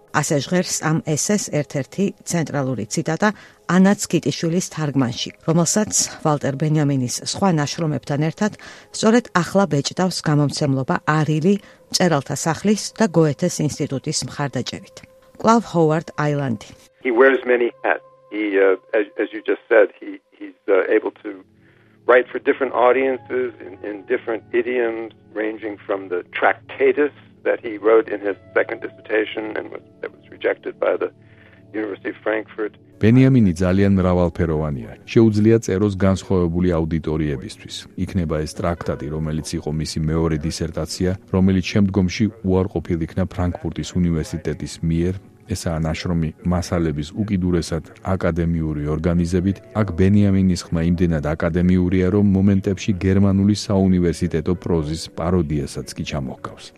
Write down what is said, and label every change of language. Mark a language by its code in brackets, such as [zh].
[ka] ასე ჟღერს ამ ესეს ერთ-ერთი ცენტრალური ციტატა ანაც კიტიშვილის თარგმანში, რომელსაც ვალტერ ბენიამინის სხვა ნაშრომებთან ერთად სწორედ ახლა ბეჭდავს გამომცემლობა არილი მწერალთა სახლის და გოეთეს ინსტიტუტის მხარდაჭერით. კლავ ჰოვარდ აილანდი. [en] He wears many hats. As you just said, he's able to write for different audiences in different idioms ranging from the Tractatus that he wrote in his second dissertation and that was rejected by the University of Frankfurt. [ka] ბენიამინი ძალიან მრავალფეროვანია. შეუძლია წეროს განსხვავებული აუდიტორიებისთვის. იქნება ეს ტრაქტატი, რომელიც იყო მისი მეორე დისერტაცია, რომელიც შემდგომში უარყოფილ იქნა ფრანკფურტის უნივერსიტეტის მიერ ესაა ნაშრომი მასალების უკიდურესად აკადემიური ორგანიზებით, აქ ბენიამინის ხმა იმდენად აკადემიურია, რომ მომენტებში გერმანული საუნივერსიტეტო პროზის პაროდიასაც კი ჩამოჰგავს.